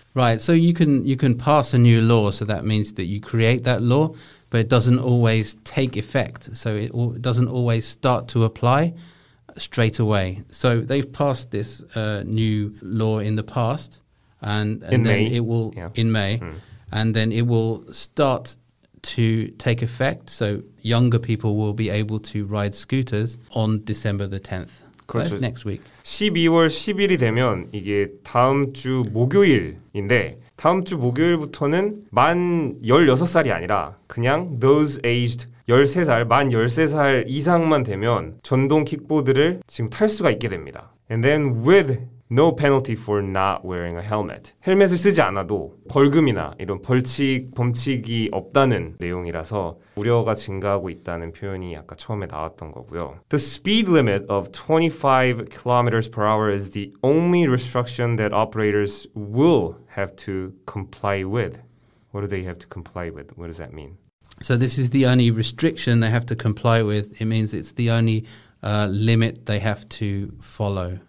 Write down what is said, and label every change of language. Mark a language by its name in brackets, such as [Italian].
[English] Right, so you can pass a new law, so that means that you create that law, but it doesn't always take effect, so it doesn't always start to apply straight away. So they've passed this new law in the past, and then it will start to take effect, so younger people will be able to ride scooters on December the 10th. So [Korean] 그렇죠. [English] That's next week. [Korean] 12월 10일이 되면 이게 다음 주 목요일인데 다음 주 목요일부터는 만 16살이 아니라 그냥 [English] those aged [Korean] 13살, 만 13살 이상만 되면 전동 킥보드를 지금 탈 수가 있게 됩니다. [English] And then with no penalty for not wearing a helmet. [Korean] 헬멧을 쓰지 않아도 벌금이나 이런 범칙이 없다는 내용이라서 우려가 증가하고 있다는 표현이 아까 처음에 나왔던 거고요. [English] The speed limit of 25 kilometers per hour is the only restriction that operators will have to comply with. What do they have to comply with? What does that mean? So this is the only restriction they have to comply with. It means it's the only limit they have to follow.